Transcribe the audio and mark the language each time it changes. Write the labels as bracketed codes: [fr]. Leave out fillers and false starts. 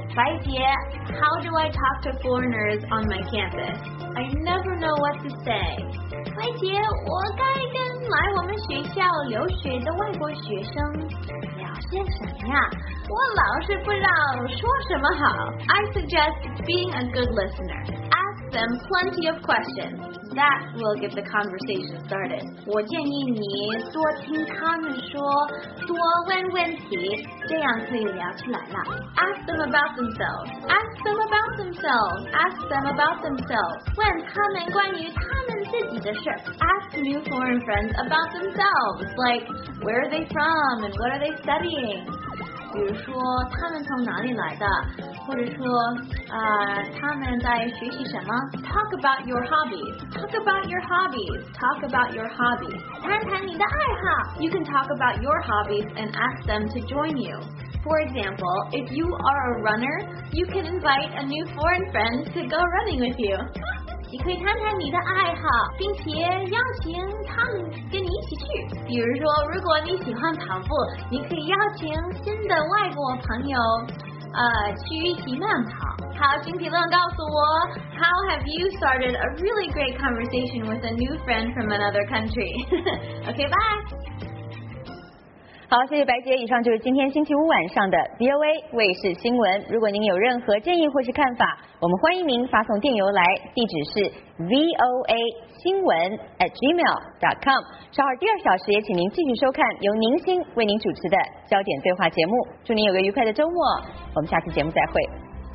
[en] 白姐， How do I talk to foreigners on my campus? I never know what to say. [zh] 白姐，我该跟来我们学校留学的外国学生聊些什么呀？我老是不知道说什么好。 [en] I suggest being a good listener. Them plenty of questions that will get the conversation started. [zh] 我建议你多听他们说，多问问题，这样可以聊起来了。 [en] Ask them about themselves. Ask them about themselves. Ask them about themselves. [zh] 问他们关于他们自己的事。 [en] Ask new foreign friends about themselves, like where are they from and what are they studying. [zh] 比如说他们从哪里来的，或者说他们在学习什么。 [en] Talk about your hobbies. Talk about your hobbies. Talk about your hobbies. [zh] 谈谈你的爱好。 [en] You can talk about your hobbies and ask them to join you. For example, if you are a runner, you can invite a new foreign friend to go running with you. [zh] 你可以谈谈你的爱好，并且邀请他们跟你一起去。比如说，如果你喜欢跑步，你可以邀请新的外国朋友去一起慢跑。好，请评论告诉我 [en] ，How have you started a really great conversation with a new friend from another country? Okay, bye. [zh] 好，谢谢白洁。以上就是今天星期五晚上的 VOA 卫视新闻。如果您有任何建议或是看法，我们欢迎您发送电邮来，地址是 voa.gmail.com。稍后第二小时也请您继续收看由宁馨为您主持的焦点对话节目。祝您有个愉快的周末，我们下次节目再会。